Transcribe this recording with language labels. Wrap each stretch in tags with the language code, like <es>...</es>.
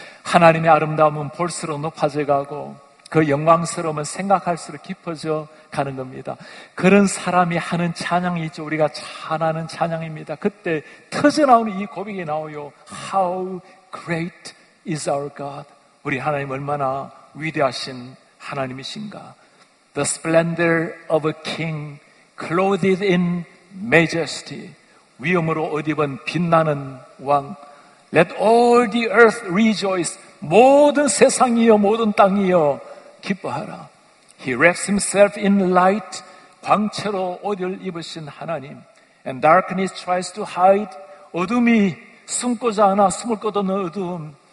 <ko>하나님의 아름다움은 볼수록 높아져 가고 그 영광스러움은 생각할수록 깊어져 가는 겁니다. 그런 사람이 하는 찬양이 있죠. 우리가 잘 아는 찬양입니다. 그때 터져나오는 이 고백이 나와요.</ko> <en>How great is our God.</en> <ko>우리 하나님 얼마나 위대하신 하나님이신가.</ko> <en>The splendor of a king clothed in majesty.</en> <ko>위엄으로 옷 입은 빛나는 왕.</ko> <en>Let all the earth rejoice.</en> <ko>모든 세상이여 모든 땅이여 기뻐하라.</ko> <en>He wraps himself in light.</en> <ko>광채로 옷을 입으신 하나님.</ko> <en>And darkness tries to hide.</en> <ko>어둠이 숨고자 하나 숨을 곳 없는 어둠.</ko>